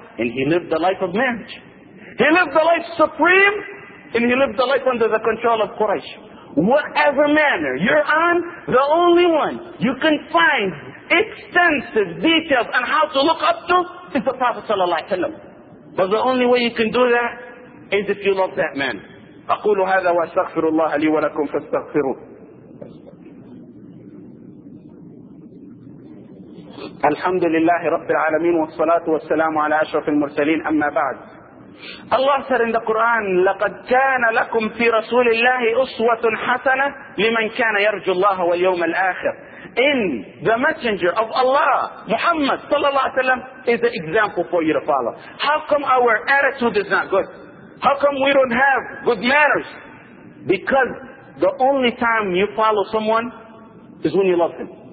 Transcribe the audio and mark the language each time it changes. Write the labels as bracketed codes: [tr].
[en] And he lived the life of marriage. He lived the life supreme, and he lived the life under the control of Quraysh. Whatever manner you're on, the only one you can find extensive details on how to look up to is the Prophet sallallahu alaihi wasallam. But the only way you can do that is if you love that man. [ar] أقول هذا وأستغفر الله لي ولكم فاستغفروه. الحمد لله رب العالمين والصلاة والسلام على أشرف المرسلين أما بعد. [en] Allah said in the Quran, [ar] لقد كان لكم في رسول الله أسوة حسنة لمن كان يرجو الله واليوم الآخر. [en] In the messenger of Allah, Muhammad صلى الله عليه وسلم is the example for you to follow. How come our attitude is not good? How come we don't have good manners? Because the only time you follow someone is when you love them.